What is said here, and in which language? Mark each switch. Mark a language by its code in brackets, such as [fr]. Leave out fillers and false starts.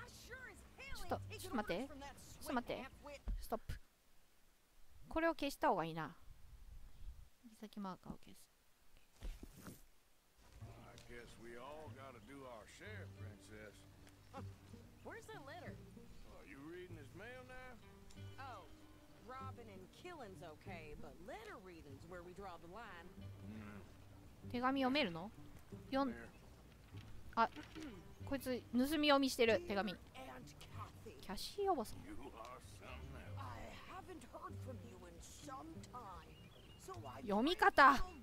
[ja] ちょっと待って、ストップ。これを消した方がいいな。行き先マーカーを消す。 [en] I guess we all gotta do our share, princess. Where's that letter? Are you reading his mail now? Oh, robbing and killing's okay, but letter reading's where we draw the line. [ja] 手紙読めるの？読ん。あ、こいつ盗み読みしてる手紙。キャッシーおばさん。 [en] I haven't heard from you in some time, so I [ja] 読み方。